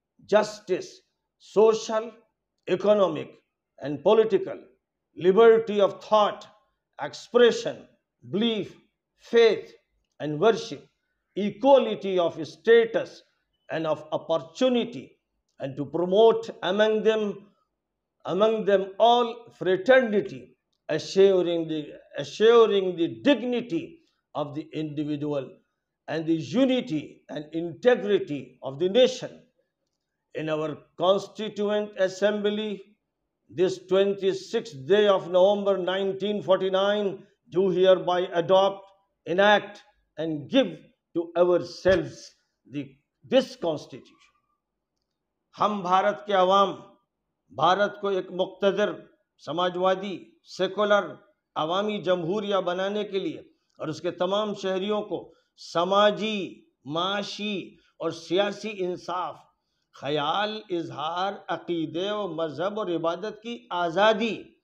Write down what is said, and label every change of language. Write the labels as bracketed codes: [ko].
[en] Justice social economic and political liberty of thought expression belief faith and worship equality of status and of opportunity and to promote among them all fraternity assuring the dignity of the individual and the unity and integrity of the nation. In our Constituent Assembly, this 26th day of November 1949, do hereby adopt, enact, and give to ourselves this Constitution. [ur] Hum Bharat ke awam, Bharat ko ek muktadir, Samajwadi, secular, عوامی جمہوریہ بنانے کے لیے اور اس کے تمام شہریوں کو سماجی، معاشی اور سیاسی انصاف، خیال، اظہار، عقیدے و مذہب اور عبادت کی آزادی